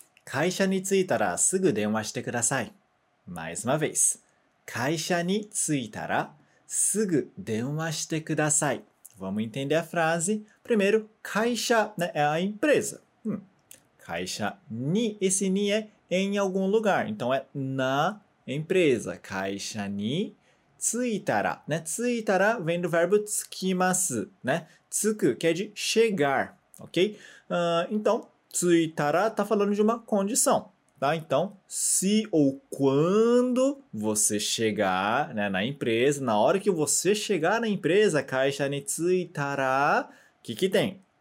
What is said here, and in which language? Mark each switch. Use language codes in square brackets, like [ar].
[ja] 会社に着いたらすぐ電話してください。 [pt] Mais uma vez。 [ja] 会社に着いたらすぐ電話してください。 [pt] Vamos entender a frase. Primeiro, 会社、né, é a empresa. 会社に、esse に é em algum lugar. Então é na empresa. [ja] 会社に着いたら、 [pt] né? 着いたら vem do verbo 着きます。 né? 着く、que é de chegar. Ok? Então, Tsuitara tá falando de uma condição, tá? Então, se ou quando você chegar, né, na empresa, na hora que você chegar na empresa, [ja] kaisha ni tsuitara, [pt] que tem?